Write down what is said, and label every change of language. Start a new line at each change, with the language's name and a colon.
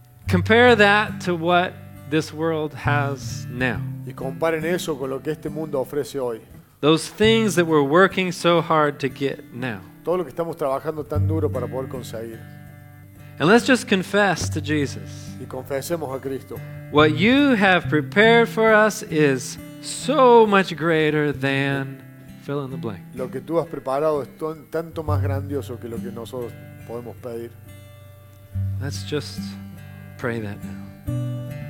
English: Compare that to what this world has now.
Spanish: Y comparen eso con lo que este mundo ofrece hoy.
English: Those things that we're working so hard to get now.
Spanish: Todo lo que estamos trabajando tan duro para poder conseguir.
English: And let's just confess to Jesus.
Spanish: Y confesemos a Cristo.
English: What you have prepared for us is so much greater than fill in the blank.
Spanish: Lo que tú has preparado es tanto más grandioso que lo que nosotros podemos pedir.
English: Let's just pray that now.